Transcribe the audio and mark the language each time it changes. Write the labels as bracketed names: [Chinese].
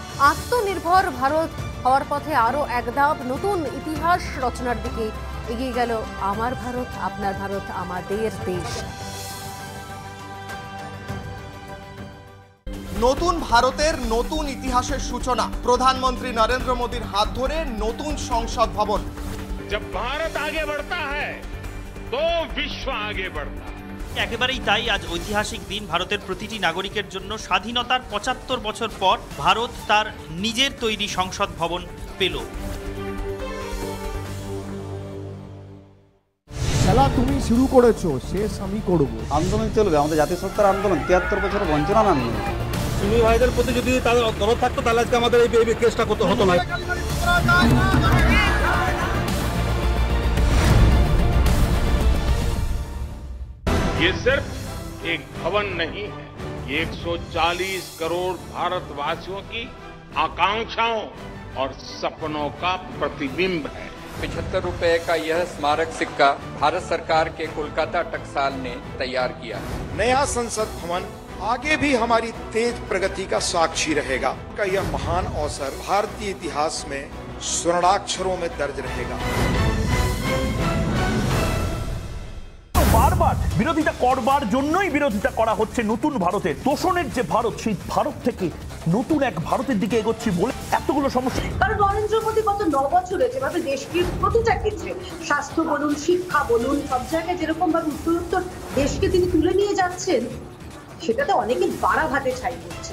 [Bangla] আত্মনির্ভর ভারত হওয়ার পথে আরো একধাপ নতুন ইতিহাস রচনার দিকে এগিয়ে গেল আমার ভারত আপনার ভারত আমাদের দেশ নতুন ভারতের নতুন ইতিহাসের সূচনা প্রধানমন্ত্রী নরেন্দ্র মোদীর হাত ধরে নতুন সংসদ ভবন [Hindi] जब भारत आगे बढ़ता है तो विश्व आगे बढ़ता [Bangla] একেবারেই তাই আজ ঐতিহাসিক দিন ভারতের প্রতিটি নাগরিকের জন্য স্বাধীনতার ৭৫ বছর পর ভারত তার নিজের তৈরি সংসদ ভবন পেল খেলা তুমি শুরু করেছো শেষ আমি করব আন্দোলন চলবে আমাদের জাতিসত্তার আন্দোলন ৭৩ বছর বঞ্চনা না তুমি ভাইদের প্রতি যদি তাদের গণত থাকতো তাহলে আজকে আমাদের এই বেবি কেসটা করতে হতো না [Hindi] ये सिर्फ एक भवन नहीं है ये 140 करोड़ भारतवासियों की आकांक्षाओं और सपनों का प्रतिबिंब है ₹75 का यह स्मारक सिक्का भारत सरकार के कोलकाता टकसाल ने तैयार किया नया संसद भवन आगे भी हमारी तेज प्रगति का साक्षी रहेगा का यह महान अवसर भारतीय इतिहास में स्वर्णाक्षरों में दर्ज रहेगा [Bangla] বারবার বিরোধিতা করবার জন্যই বিরোধিতা করা হচ্ছে নতুন ভারতের তোষণের যে ভারত সেই ভারত থেকে নতুন এক ভারতের দিকে এগোচ্ছি বলে এতগুলো সমস্যা কারণ নরেন্দ্র মোদী গত ৯ বছরে যেভাবে দেশকে প্রতিটা ক্ষেত্রে স্বাস্থ্য বলুন শিক্ষা বলুন সব জায়গায় যেরকম ভাবে উত্তরোত্তর দেশকে তিনি তুলে নিয়ে যাচ্ছেন সেটাতে অনেকে বাড়াভাতে ছাই করছে